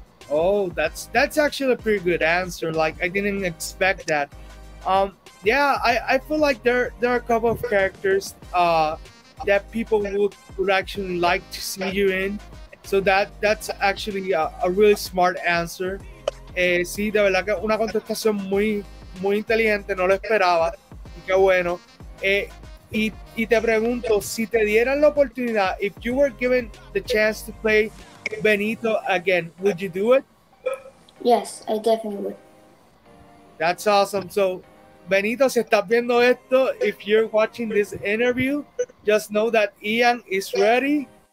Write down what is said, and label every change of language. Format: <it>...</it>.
<en>Oh, that's actually a pretty good answer. Like, I didn't expect that. I feel like there are a couple of characters that people would actually like to see you in. So that's actually a really smart answer.</en> <es>Sí, de verdad que una contestación muy, muy inteligente, no lo esperaba. Y qué bueno.</es> <en>Y te pregunto, si te dieran la oportunidad, if you were given the chance to play Benito again, would you do it? Yes, I definitely would. That's awesome. So, Benito, si estás viendo esto, if you're watching this interview, just know that Ian is ready.</en>